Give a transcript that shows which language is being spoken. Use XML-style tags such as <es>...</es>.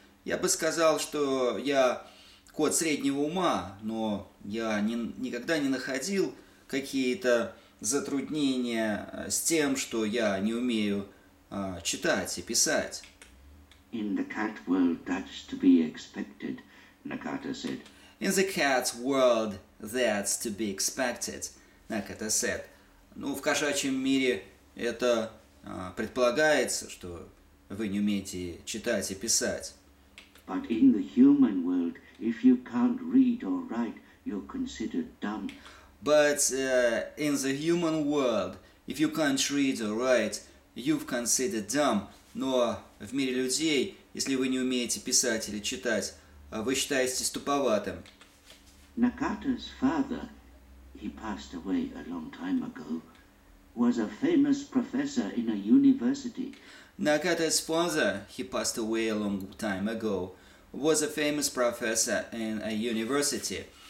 <ru>Я бы сказал, что я кот среднего ума, но я никогда не находил какие-то затруднения с тем, что я не умею читать и писать.</ru> <en>In the cat world, that's to be expected, Nakata said. In the cat world, that's to be expected, Nakata said.</en> <ru>Ну, в кошачьем мире это предполагается, что вы не умеете читать и писать.</ru> <en>But in the human world, if you can't read or write, you're considered dumb. But in the human world, if you can't read or write, you've considered dumb.</en> <ru>Но в мире людей, если вы не умеете писать или читать, вы считаетесь туповатым.</ru> <en>Nakata's father, he passed away a long time ago, was a famous professor in a university. Nakata's father, he passed away a long time ago, was a famous professor in a university.</en>